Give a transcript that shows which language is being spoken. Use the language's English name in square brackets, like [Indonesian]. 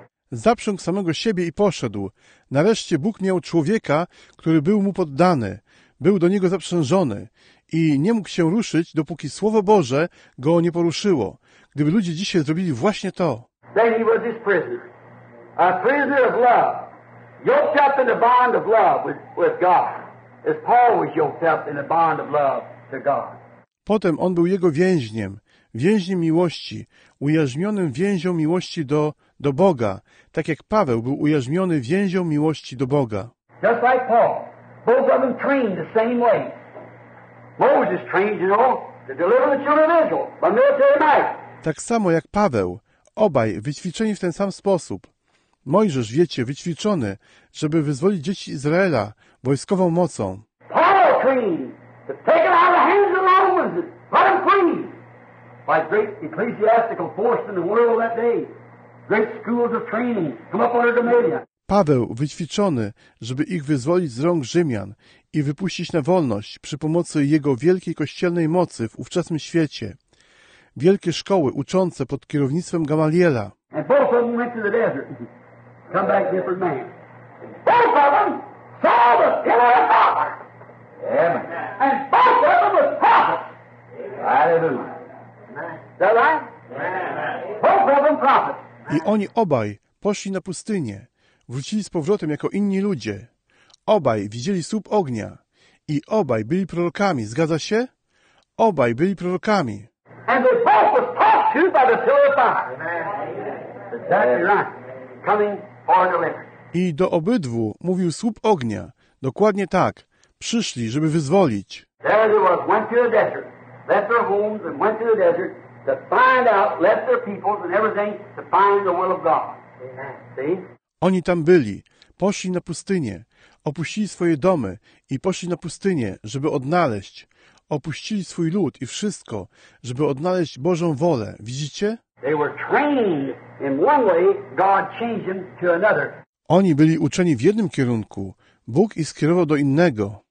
[Polish] Zaprzągł samego siebie i poszedł. Nareszcie Bóg miał człowieka, który był mu poddany. Był do niego zaprzężony i nie mógł się ruszyć, dopóki Słowo Boże go nie poruszyło. Gdyby ludzie dzisiaj zrobili właśnie to. [English] Then he was his prisoner. A prisoner of love. Yoked up in the bond of love with God. As Paul was yoked up in the bond of love to God. [Polish] Potem on był jego więźniem, więźniem miłości, ujarzmionym więzią miłości do Boga, tak jak Paweł był ujarzmiony więzią miłości do Boga. [English] Just like Paul, both of them trained the same way. Moses trained, you know, to deliver the children of Israel by military might. [Polish] Tak samo jak Paweł, obaj wyćwiczeni w ten sam sposób. Mojżesz, wiecie, wyćwiczony, żeby wyzwolić dzieci Izraela wojskową mocą. [English] Paul clean. To take it out of the hands of the Romans and let them clean. By great ecclesiastical force in the world that day, great schools of training come up under dominion. [Polish] Paweł, wyćwiczony, żeby ich wyzwolić z rąk Rzymian i wypuścić na wolność przy pomocy jego wielkiej kościelnej mocy w ówczesnym świecie. Wielkie szkoły uczące pod kierownictwem Gamaliela. [English] And both of them went to the desert. Come back different man. Both of them saw the pillar of fire. Amen. And both of them were prophets. Hallelujah. Both of them prophets. [Polish] I oni obaj poszli na pustynię. Wrócili z powrotem jako inni ludzie. Obaj widzieli słup ognia. I obaj byli prorokami, zgadza się? Obaj byli prorokami. [English] And they both were talked to by the pillar of fire. Amen. Exactly right. Coming for deliverance. [Polish] I do obydwu mówił słup ognia. Dokładnie tak. Przyszli, żeby wyzwolić. [English] There they was, went to the desert. Left their homes and went to the desert to find out, left their peoples and everything to find the will of God. Amen. See? [Polish] Oni tam byli, poszli na pustynię, opuścili swoje domy i poszli na pustynię, żeby odnaleźć, opuścili swój lud i wszystko, żeby odnaleźć Bożą wolę. Widzicie? [English] They were trained in one way, God changed them to another. [Polish] Oni byli uczeni w jednym kierunku, Bóg ich skierował do innego.